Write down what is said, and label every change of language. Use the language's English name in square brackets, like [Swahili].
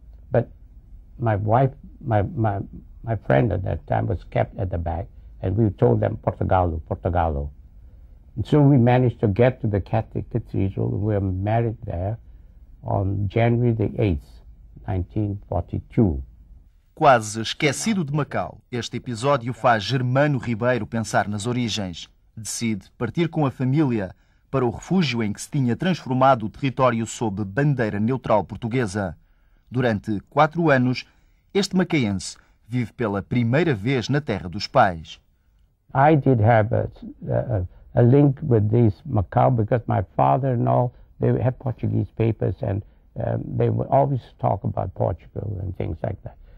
[English] But my wife, my friend at that time was kept at the back, and we told them Portogallo, Portogallo. And so we managed to get to the Catholic Cathedral. We were married there on January the 8th, 1942. [Portuguese] Quase esquecido de Macau, este episódio faz Germano Ribeiro pensar nas origens. Decide partir com a família para o refúgio em que se tinha transformado o território sob bandeira neutral portuguesa. Durante 4 anos, este macaense vive pela primeira vez na terra dos pais. [English] I did have a link with this Macau because my father and all, they had Portuguese papers and they would always talk about Portugal and things like that.